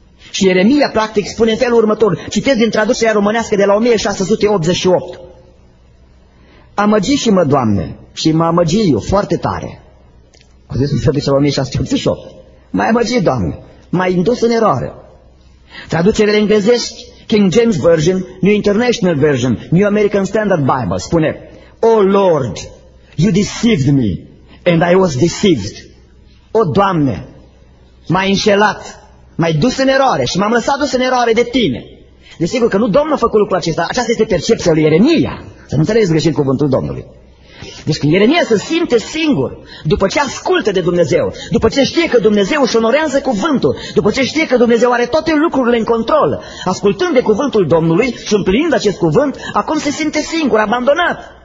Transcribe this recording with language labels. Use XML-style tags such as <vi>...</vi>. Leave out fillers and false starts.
<ro>Și Ieremia, practic, spune în felul următor, citesc din traducerea românească de la 1688, Amăgi și mă, Doamne, și mă amăgi eu foarte tare. Au zis în traducerea 1688. M-ai amăgi, Doamne, m-ai indus în eroare. Traducerele englezești, King James Version, New International Version, New American Standard Bible, spune,</ro> <en>O Lord, you deceived me, and I was deceived.</en> <ro>O Doamne, m-ai înșelat, m-ai dus în eroare și m-am lăsat dus în eroare de Tine. Desigur că nu Domnul a făcut lucrul acesta, aceasta este percepția lui Ieremia. Să nu înțelegeți greșit cuvântul Domnului. Deci când Ieremia se simte singur, după ce ascultă de Dumnezeu, după ce știe că Dumnezeu își onorează cuvântul, după ce știe că Dumnezeu are toate lucrurile în control, ascultând de cuvântul Domnului și împlinind acest cuvânt, acum se simte singur, abandonat.</ro>